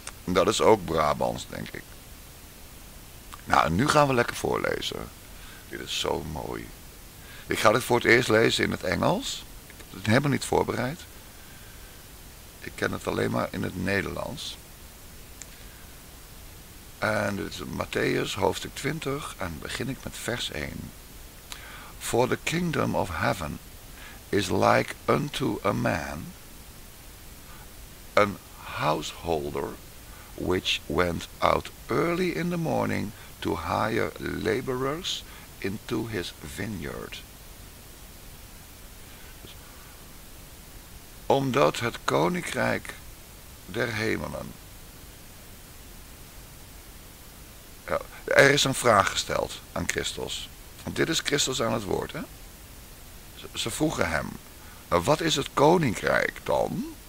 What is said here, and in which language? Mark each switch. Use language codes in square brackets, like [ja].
[nl] Dat is ook Brabants, denk ik. Nou, nu gaan we lekker voorlezen. Dit is zo mooi. Ik ga dit voor het eerst lezen in het Engels. Ik heb het helemaal niet voorbereid. Ik ken het alleen maar in het Nederlands. En dit is Matthäus hoofdstuk 20 en begin ik met vers 1. [en] For the kingdom of heaven is like unto a man, an householder, which went out early in the morning to hire laborers into his vineyard. [nl] Omdat het koninkrijk der hemelen. Ja, er is een vraag gesteld aan Christus. Want dit is Christus aan het woord, hè? Ze vroegen hem: wat is het koninkrijk dan?